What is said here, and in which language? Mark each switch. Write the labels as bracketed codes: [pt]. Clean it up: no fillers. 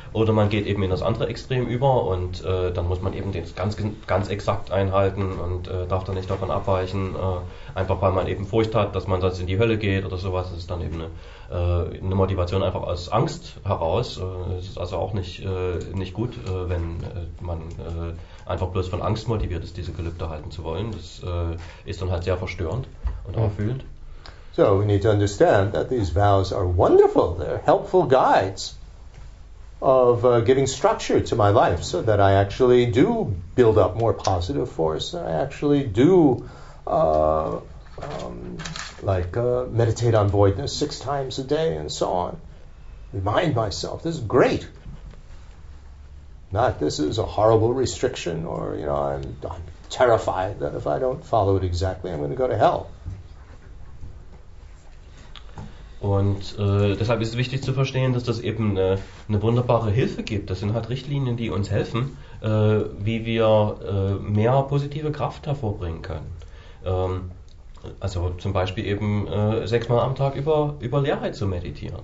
[de] Oder man geht eben in das andere Extrem über und dann muss man eben das ganz, ganz exakt einhalten und darf dann nicht davon abweichen, einfach weil man eben Furcht hat, dass man sonst in die Hölle geht oder sowas. Das ist dann eben eine Motivation einfach aus Angst heraus. Es ist also auch nicht gut, wenn man einfach bloß von Angst motiviert ist, diese Gelübde halten zu wollen. Das ist dann halt sehr verstörend und aufwühlend. [en] So we need to understand that these vows are wonderful. They're helpful guides. of giving structure to my life so that I actually do build up more positive force, that I actually do meditate on voidness 6 times a day and so on. Remind myself, this is great. Not this is a horrible restriction, or, you know, I'm terrified that if I don't follow it exactly, I'm going to go to hell. [de] Und deshalb ist es wichtig zu verstehen, dass das eben eine wunderbare Hilfe gibt. Das sind halt Richtlinien, die uns helfen, wie wir mehr positive Kraft hervorbringen können. Also zum Beispiel eben 6-mal am Tag über Leerheit zu meditieren.